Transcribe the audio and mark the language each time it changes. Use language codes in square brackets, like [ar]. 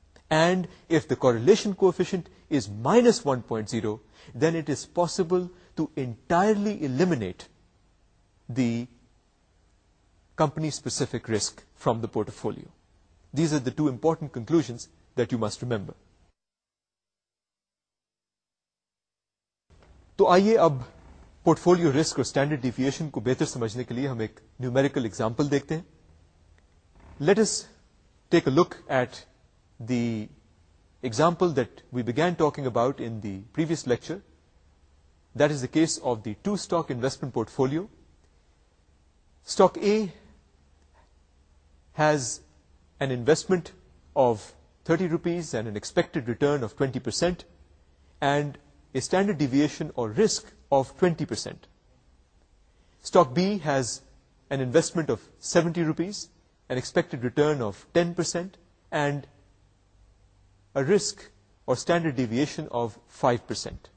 [en] And if the correlation coefficient is minus 1.0, then it is possible to entirely eliminate the company-specific risk from the portfolio. These are the two important conclusions that you must remember. [ur] تو آئیے اب port folio risk اور standard deviation کو بہتر سمجھنے کے لیے ہم ایک نیومیریکل ایگزامپل دیکھتے ہیں. [en] Let us take a look at the example that we began talking about in the previous lecture. That is the case of the two stock investment portfolio. Stock A has an investment of 30 rupees and an expected return of 20% and a standard deviation or risk of 20%. Stock B has an investment of 70 rupees, an expected return of 10% and a risk or standard deviation of 5%.